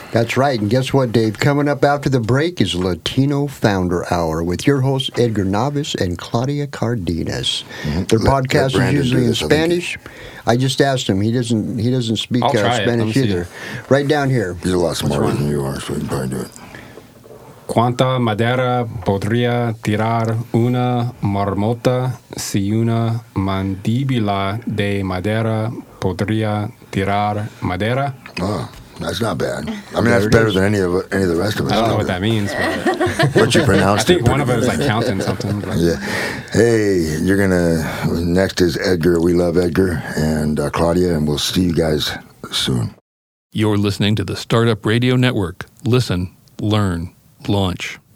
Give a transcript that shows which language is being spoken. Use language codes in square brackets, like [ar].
[en] That's right. And guess what, Dave? Coming up after the break is Latino Founder Hour with your hosts, Edgar Navis and Claudia Cardenas. Mm-hmm. Their podcast is usually in Spanish. I just asked him. He doesn't speak Spanish either. Right down here. He's a lot smarter than you are, so you can probably do it. [es] ¿Cuánta madera podría tirar una marmota si una mandíbula de madera podría tirar madera? [en] Oh, that's not bad. I mean, that's better than any of the rest of us. I don't know what that means. But, but you pronounced it. I think one of us is like counting something. But. Yeah. Hey, you're going to... Next is Edgar. We love Edgar and Claudia, and we'll see you guys soon. You're listening to the Startup Radio Network. Listen. Learn. Launch.